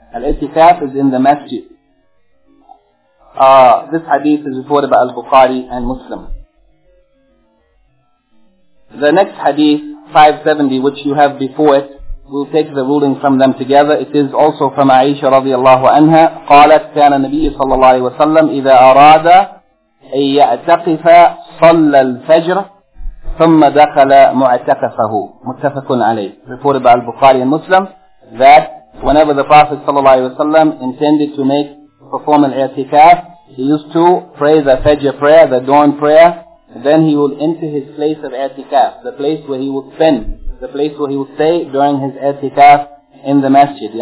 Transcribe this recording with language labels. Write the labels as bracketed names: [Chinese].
[English] Al-i'tikaf is in the masjid. This hadith is reported by Al-Bukhari and Muslim. The next hadith, 570, which you have before it, we'll take the ruling from them together. It is also from Aisha radiallahu anha. [Arabic] قالت كان النبي صلى الله عليه وسلم إذا أراد أن يعتقف صلى الفجر ثم دخل معتكفه متفق عليه. [English] Reported by Al-Bukhari and Muslim that whenever the Prophet sallallahu alaihi wasallam intended to perform an i'tikaf, he used to pray the fajr prayer, the dawn prayer, then he would enter his place of i'tikaf, the place where he would spend, the place where he would stay during his i'tikaf in the masjid.